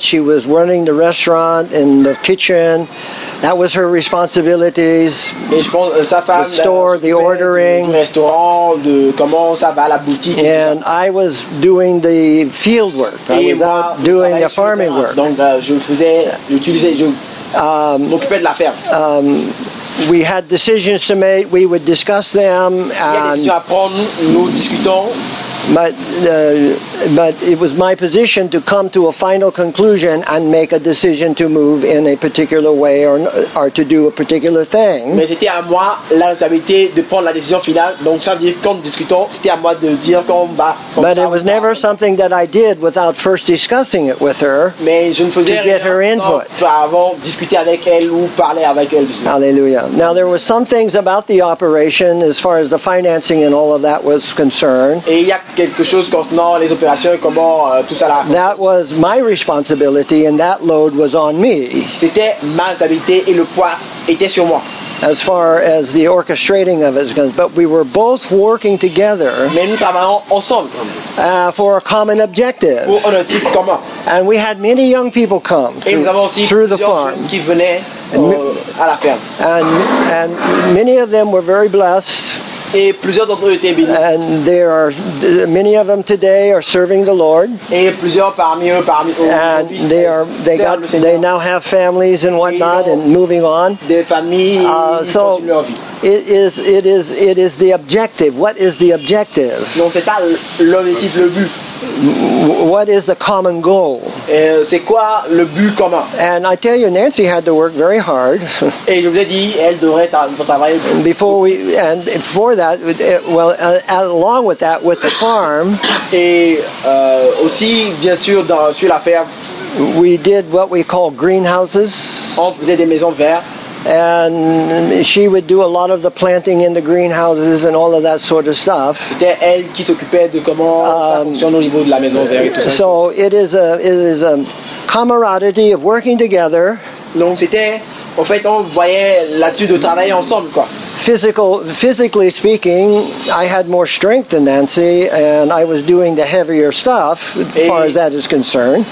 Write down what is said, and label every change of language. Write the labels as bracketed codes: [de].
[en] She was running the restaurant in the kitchen. That was her responsibilities. [fr] Et je pense, sa femme, [en] the store, the ordering. [fr] Du restaurant, de comment ça va, la boutique. [en] And I was doing the field work. [fr] Et [en] I was [fr] moi, [en] out doing the farming work. [fr] Donc m'occupais de la ferme. [en] We had decisions to make. We would discuss them. [fr] Il y a des décisions à prendre, nous discutons. [en] But it was my position to come to a final conclusion and make a decision to move in a particular way or to do a particular thing. [fr] Mais c'était à moi la responsabilité de prendre la décision finale. Donc ça veut dire quand discutons, c'était à moi de dire comment on va. [en] But it was never something that I did without first discussing it with her. [fr] Mais je ne faisais [en] to get her input. [fr] Avant discuter avec elle ou parler avec elle. [en] Hallelujah. Now there were some things about the operation as far as the financing and all of that was concerned. [fr] Quelque chose concernant les opérations et comment tout ça là. [en] That was my responsibility and that load was on me. [fr] C'était ma responsabilité et le poids était sur moi. [en] As far as the orchestrating of it is concerned, but we were both working together. [fr] Mais nous travaillons ensemble. [en] For a common objective. [fr] Pour un objectif commun. [en] And we had many young people come [fr] et nous avons aussi [en] through the farm. [fr] Qui venaient à la ferme. [en] And many of them were very blessed. [fr] Et plusieurs d'entre eux étaient bénis. [en] And there are many of them today are serving the Lord. [fr] Et plusieurs parmi eux [en] and they now have families and whatnot and moving on. [fr] Des familles [en] so it is the objective. What is the objective? [fr] Donc c'est ça l'objectif, le but. [en] What is the common goal? [fr] C'est quoi le but commun? [en] And I tell you, Nancy had to work very hard. [fr] Et je vous ai dit, elle devrait travailler. [en] Along with that, with the farm. [fr] Et aussi, bien sûr, sur la ferme. [en] We did what we call greenhouses. [fr] On faisait des maisons vertes. [en] And she would do a lot of the planting in the greenhouses and all of that sort of stuff. [fr] C'était elle qui s'occupait de comment ça fonctionne au niveau de la maison verte et tout ça. [en] So it is a camaraderie of working together. [fr] Donc c'était, en fait, on voyait là-dessus de travailler ensemble, quoi. [en] Physically speaking, I had more strength than Nancy, and I was doing the heavier stuff, as far as that is concerned.